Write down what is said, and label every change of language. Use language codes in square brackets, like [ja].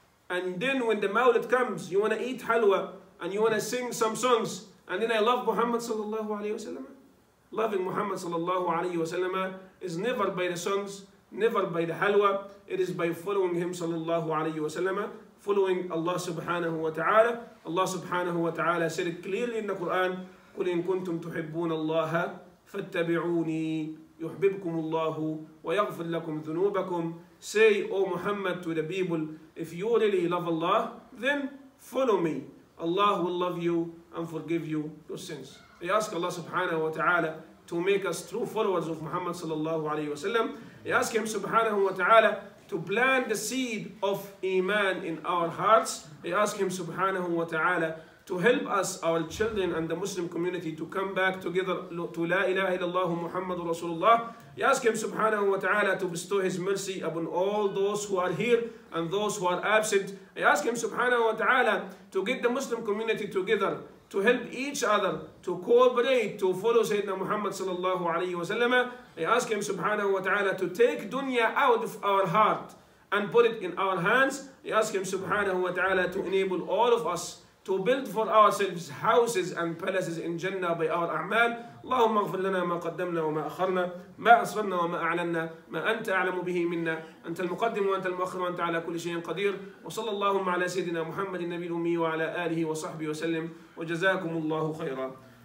[en] And then when the Mawlid comes, you want to eat halwa, and you want to sing some songs, and then I love Muhammad sallallahu alayhi wa sallam. Loving Muhammad sallallahu alayhi wa sallam is never by the songs, never by the halwa, it is by following him sallallahu alayhi wa sallam, following Allah subhanahu wa ta'ala. Allah subhanahu wa ta'ala said it clearly in the Quran, [ar] قُلْ إِن كُنْتُمْ تُحِبُّونَ اللَّهَ فَاتَّبِعُونِي يُحْبِبْكُمُ اللَّهُ وَيَغْفِرْ لَكُمْ ذُنُوبَكُمْ. [en] Say, O Muhammad, to the people, if you really love Allah, then follow me. Allah will love you and forgive you your sins. I ask Allah subhanahu wa ta'ala to make us true followers of Muhammad sallallahu alayhi wa sallam. I ask him subhanahu wa ta'ala to plant the seed of Iman in our hearts. I ask him subhanahu wa ta'ala to help us, our children and the Muslim community, to come back together to La ilaha illallah Muhammadur Rasulullah. I ask him subhanahu wa ta'ala to bestow his mercy upon all those who are here and those who are absent. I ask him subhanahu wa ta'ala to get the Muslim community together, to help each other, to cooperate, to follow Sayyidina Muhammad sallallahu alayhi wa sallam. I ask him subhanahu wa ta'ala to take dunya out of our heart and put it in our hands. I ask him subhanahu wa ta'ala to enable all of us to build for ourselves houses and palaces in Jannah by our a'mal. [ar] اللهم اغفر لنا ما قدمنا وما أخرنا ما أسررنا وما أعلنا ما أنت أعلم به منا أنت المقدم وأنت المؤخر وأنت على كل شيء قدير وصلى اللهم على سيدنا محمد النبي الأمي وعلى آله وصحبه وسلم وجزاكم الله خيرا.